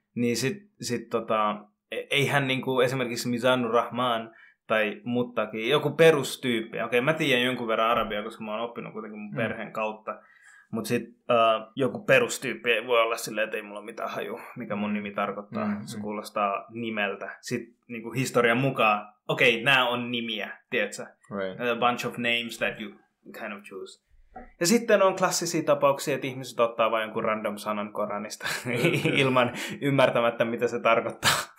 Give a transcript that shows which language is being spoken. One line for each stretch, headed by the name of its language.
Finnish: Niin sitten sit eihän niinku esimerkiksi Mizanur Rahman tai muttakin, joku perustyyppi. Okei, mä tiedän jonkun verran arabiaa, koska mä oon oppinut kuitenkin mun perheen kautta. Mutta sitten joku perustyyppi ei voi olla silleen, että ei mulla mitään haju, mikä mun nimi tarkoittaa. Se kuulostaa nimeltä. Sitten niinku historian mukaan, okei, nämä on nimiä, tiedätkö?
English: Right. A bunch of names that you kind of choose.
Finnish: Ja sitten on klassisia tapauksia, että ihmiset ottaa vain jonkun random sanan Koranista ilman ymmärtämättä, mitä se tarkoittaa.